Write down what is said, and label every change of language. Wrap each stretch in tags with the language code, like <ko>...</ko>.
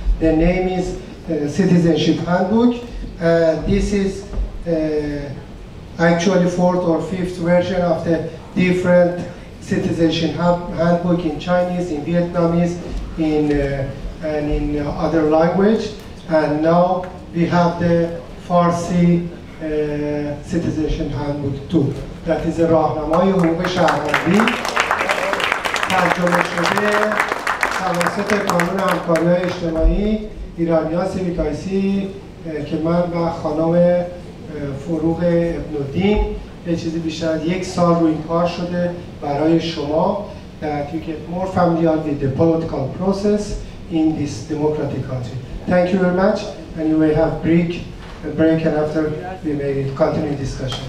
<en>The name is Citizenship Handbook, and this is actually fourth or fifth version of the different Citizenship Handbook in Chinese, in Vietnamese, in other language, and now we have the Farsi citizenship handbook too. That is a</en> <fa>راهنمای حقوق شهروندی ترجمه شده توسط کانون همکاری اجتماعی ایرانیا سیویک آی سی که من و خانم فروغ ابن‌الدین به چیزی بیشتر از یک سال روی کار شده برای شما</fa> <en>that you get more familiar with the political process in this democratic country. Thank you very much, and you may have a break, and after we may continue discussion.</en>